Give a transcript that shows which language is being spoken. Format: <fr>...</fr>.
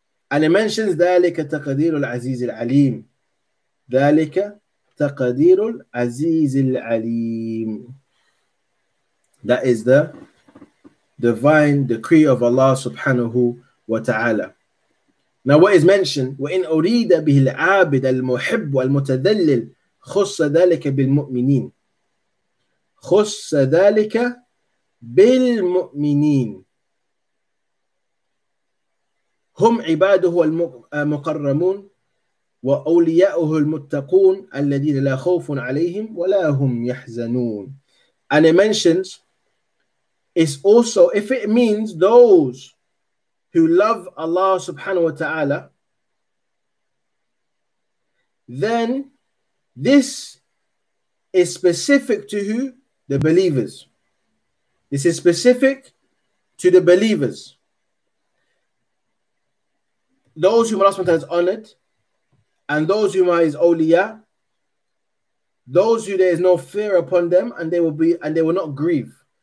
<en>And it mentions,</en> <ar>ذَلِكَ تَقَدِيرُ الْعَزِيزِ الْعَلِيمِ</ar> <en>ذَلِكَ تَقَدِيرُ الْعَزِيزِ الْعَلِيمِ That is the divine decree of Allah subhanahu wa ta'ala. Now what is mentioned?</en> <ar>وَإِنْ أُرِيدَ بِهِ الْعَابِدَ الْمُحِبُّ وَالْمُتَذَلِّلِ خُصَّ ذَلِكَ بِالْمُؤْمِنِينَ خص ذلك بالمؤمنين هم عباده المقرمون وأولياؤه المتقون الذين لا خوف عليهم ولا هم يحزنون</ar> <en>And it mentions it's also if it means those who love Allah subhanahu wa ta'ala then this is specific to who? The believers. This is specific to the believers. Those whom Allah subhanahu wa ta'ala has honored, and those whom are his awliya, those who there is no fear upon them, and they will be and they will not grieve.</en>